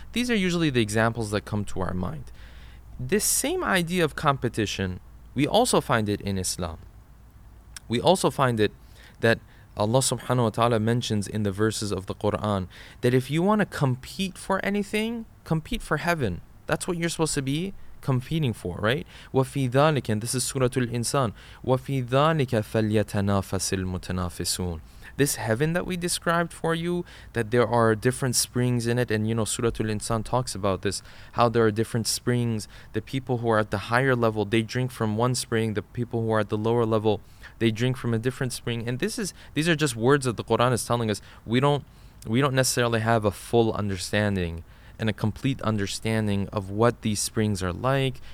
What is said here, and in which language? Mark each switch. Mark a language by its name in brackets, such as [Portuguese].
[English] These are usually the examples that come to our mind. This same idea of competition, we also find it in Islam. We also find it that Allah subhanahu wa ta'ala mentions in the verses of the Quran that if you want to compete for anything, compete for heaven. That's what you're supposed to be competing for, right? [Arabic] وَفِي ذَلِكَ, [English] and this is Suratul Insan, [Arabic] وَفِي ذَلِكَ فَلْيَتَنَافَسِ الْمُتَنَافِسُونَ. [English] This heaven that we described for you, that there are different springs in it, and you know, Suratul Insan talks about this, how there are different springs. The people who are at the higher level, they drink from one spring. The people who are at the lower level, they drink from a different spring. And these are just words that the Quran is telling us. We don't necessarily have a full understanding and a complete understanding of what these springs are like.